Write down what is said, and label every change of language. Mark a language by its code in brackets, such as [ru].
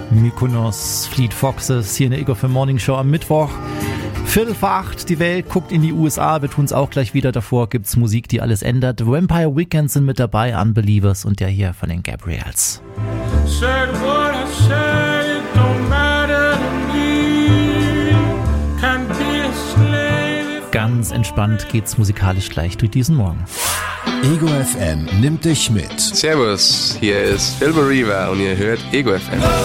[de] Kunos, Fleet Foxes hier in der Ego für Morning Show am Mittwoch. Viertel vor acht, die Welt guckt in die USA, wir tun es auch gleich wieder. Davor gibt's Musik, die alles ändert. Vampire Weekend sind mit dabei, Unbelievers und der hier von den Gabriels. [en] Said what I said, it don't matter to me. Can't be a slave. [de] Ganz entspannt geht's musikalisch gleich durch diesen Morgen. Ego FM nimmt dich mit. Servus, hier ist Phil Bariva und ihr hört Ego FM.